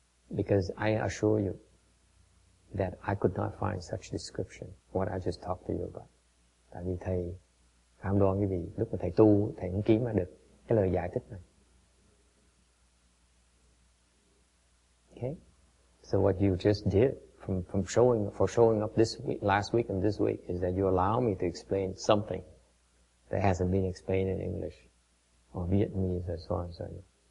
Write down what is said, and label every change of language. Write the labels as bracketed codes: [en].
[en] Because I assure you that I could not find such description what I just talked to you about. [vi] Tại vì thầy cảm đoán cái gì, lúc mà thầy tu, thầy cũng kiếm ra được cái lời giải thích này. Okay? [en] So what you just did for showing up this week, last week and this week, is that you allow me to explain something that hasn't been explained in English or Vietnamese or so on and so on.